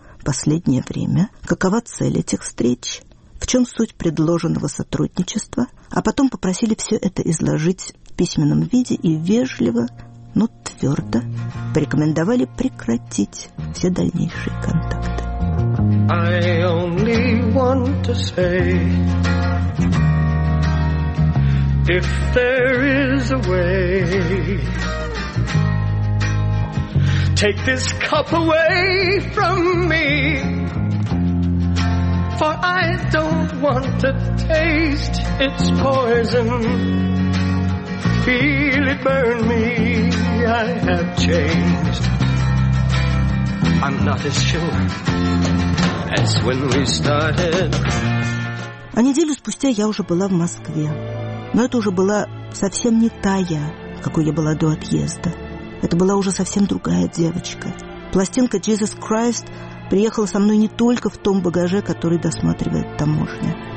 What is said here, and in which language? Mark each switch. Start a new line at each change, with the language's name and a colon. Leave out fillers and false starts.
Russian: в последнее время, какова цель этих встреч, в чем суть предложенного сотрудничества, а потом попросили все это изложить в письменном виде и вежливо, но твердо порекомендовали прекратить все дальнейшие контакты.
English: I only want to say, if there is a way, take this cup away from me. For I don't want to taste its poison. Feel it burn me, I have changed. I'm not as sure as when we started.
Russian: А неделю спустя я уже была в Москве. Но это уже была совсем не та я, какой я была до отъезда. Это была уже совсем другая девочка. Пластинка «Jesus Christ» приехала со мной не только в том багаже, который досматривает таможня.